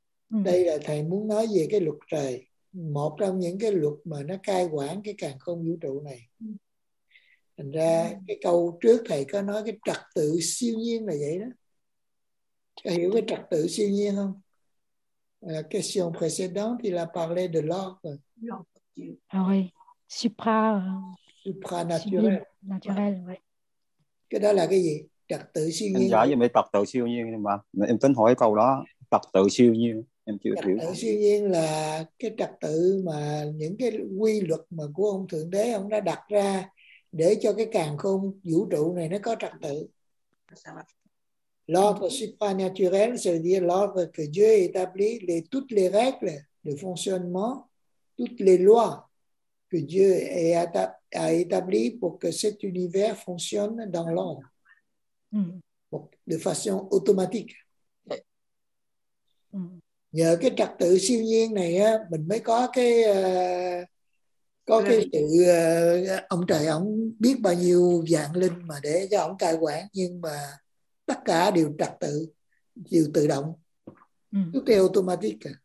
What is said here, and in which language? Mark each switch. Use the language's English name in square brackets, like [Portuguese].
[Vietnamese] Đây là thầy muốn nói về cái luật trời, một trong những cái luật mà nó cai quản cái càn khôn vũ trụ này. Thành ra cái câu trước thầy có nói cái trật tự siêu nhiên là vậy đó. Thầy hiểu cái trật tự siêu nhiên không? [French] La question précédente, il a parlé de l'ordre. Ah oui, supranaturel. Naturel, oui. [Vietnamese] Cái đó là cái gì? Trật tự siêu nhiên. Em giải vậy mới trật tự siêu nhiên mà. Em tính hỏi câu đó, trật tự siêu nhiên. Em chưa hiểu. Trật tự siêu nhiên là cái trật tự mà những cái quy luật mà của ông Thượng Đế ông đã đặt ra để cho cái càn khôn vũ trụ này nó có trật tự. [French] L'ordre supranaturel, c'est-à-dire l'ordre que Dieu a établi, toutes les règles de fonctionnement, toutes les lois que Dieu a établies pour que cet univers fonctionne dans l'ordre, de façon automatique. [Vietnamese] Nhờ cái trật tự siêu nhiên này, mình mới có cái Có cái sự ông trời ông biết bao nhiêu vạn linh mà để cho ông cai quản, nhưng mà tất cả đều trật tự, đều tự động, tức là automatic.